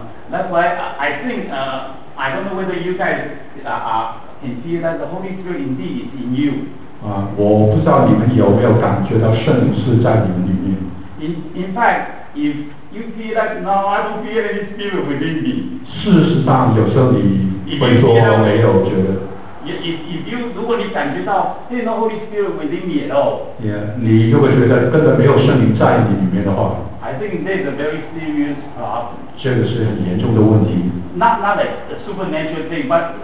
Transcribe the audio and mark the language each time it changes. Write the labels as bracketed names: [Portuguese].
[English] that's why I think I don't know whether you guys can see that the Holy Spirit indeed is in you [Chinese] 我不知道你们有没有感觉到圣灵是在你们里面 [English] in fact ifYou feel like now I don't feel any spirit within me. [Chinese] 事实上，有时候你会说没有觉得。 [English] If you [Chinese] 如果你感觉到 [English] there's no Holy Spirit within me at all. [Chinese] Yeah, 你如果觉得根本没有圣灵在你里面的话。 [English] I think that's a very serious problem. [Chinese] 这个是很严重的问题。 [English] Not a supernatural thing, but